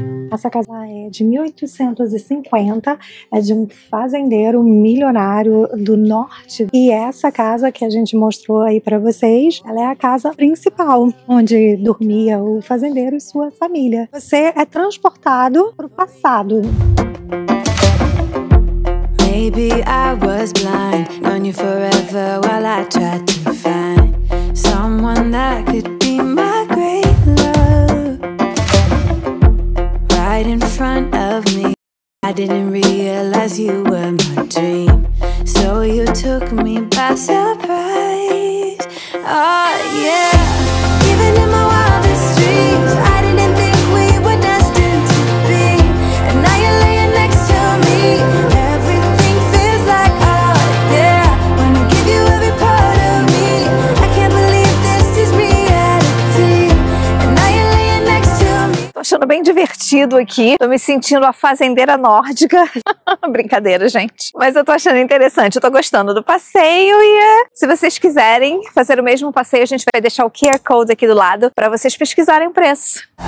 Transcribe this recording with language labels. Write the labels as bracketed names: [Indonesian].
[Portuguese] Essa casa é de 1850, é de um fazendeiro milionário do norte. E essa casa que a gente mostrou aí pra vocês, ela é a casa principal onde dormia o fazendeiro e sua família. Você é transportado pro passado. [English] Maybe I was blind on you forever while I tried to find someone that could be my great love. Right in front of me, I didn't realize you were my dream. So you took me by surprise. Oh yeah. Even in my wildest dreams, I didn't think we were destined to be. And now you're laying next to me. Everything feels like, oh yeah. Wanna give you every part of me. I can't believe this is reality. And now you're laying next to me. [Portuguese] Tô achando bem divertido aqui. Tô me sentindo a fazendeira nórdica. Brincadeira, gente. Mas eu tô achando interessante. Eu tô gostando do passeio e se vocês quiserem fazer o mesmo passeio, a gente vai deixar o QR Code aqui do lado pra vocês pesquisarem o preço.